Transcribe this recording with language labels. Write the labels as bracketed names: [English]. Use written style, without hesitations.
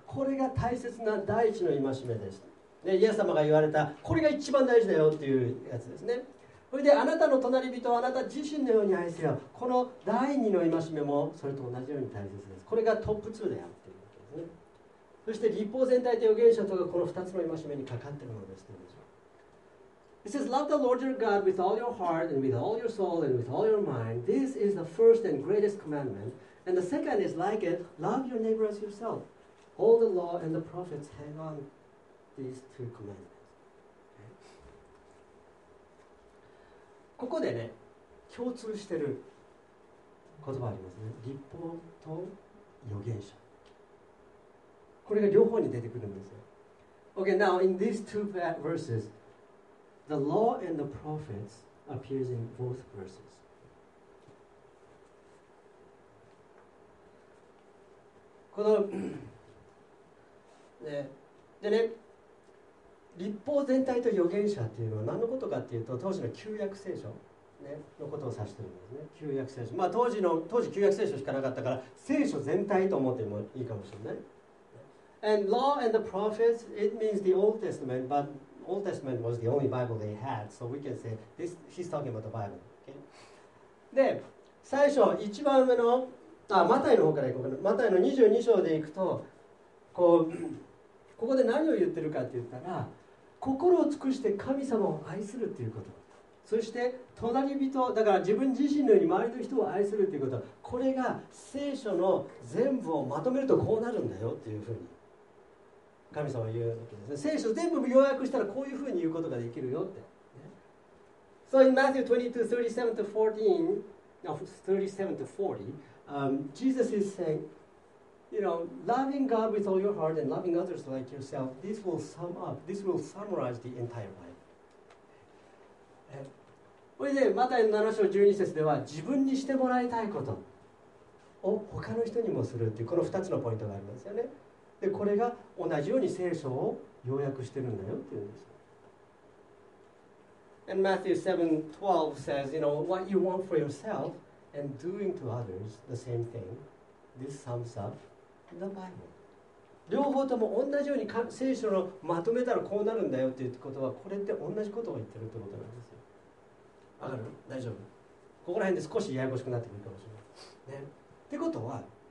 [Japanese] これが大切な第一の戒めです。でイエス様が言われたこれが一番大事だよっていうやつですね。それであなたの隣人をあなた自身のように愛せよ。この第二の戒めもそれと同じように大切です。これがトップ2であるっていうわけですね。そして律法全体と預言者とがこの2つの戒めにかかっているのです。 [English] It says, Love the Lord your God with all your heart and with all your soul and with all your mind. This is the first and greatest commandment. And the second is like it. Love your neighbor as yourself. All the law and the prophets hang onThese two commandments. [Japanese] ここでね、共通してる言葉ありますね。律法と預言者。これが両方に出てくるんですよ。 [English] Okay, now in these two verses, the law and the prophets appears in both verses. [Japanese] このね、でね。立法全体と預言者っていうのは何のことかっていうと当時の旧約聖書、ね、のことを指してるんですね。旧約聖書、まあ、当時旧約聖書しかなかったから聖書全体と思ってもいいかもしれない。 [English] And law and the prophets, it means the Old Testament, but Old Testament was the only Bible they had, so we can say this, he's talking about the Bible、okay? [Japanese] で最初一番上のあマタイの方からいこうかな。マタイの22章でいくとこうここで何を言ってるかって言ったら心を尽くして神様を愛するっていうこと、そして隣人だから自分自身のように周りの人を愛するっていうこと、これが聖書の全部をまとめるとこうなるんだよっていうふうに神様は言うわけですね。聖書全部要約したらこういうふうに言うことができるよって、ね、 [English] So in Matthew 22, 37 to 14 37 to 40 Jesus is sayingYou know, loving God with all your heart and loving others like yourself, this will sum up, this will summarize the entire Bible. [Japanese] それで、マタイの7章12節では、自分にしてもらいたいことを他の人にもするっていう、この2つのポイントがありますよね。で、これが同じように聖書を要約してるんだよっていうんです。 [English] And Matthew 7:12 says, you know, what you want for yourself and doing to others the same thing, this sums up. The Bible. [Japanese] 両方とも同じように聖書のまとめたらこうなるんだよっていうことはこれって同じことを言ってるってことなんですよ。わかる？大丈夫？ここら辺で少しややこしくなってくるかもしれない。ね、ってことは、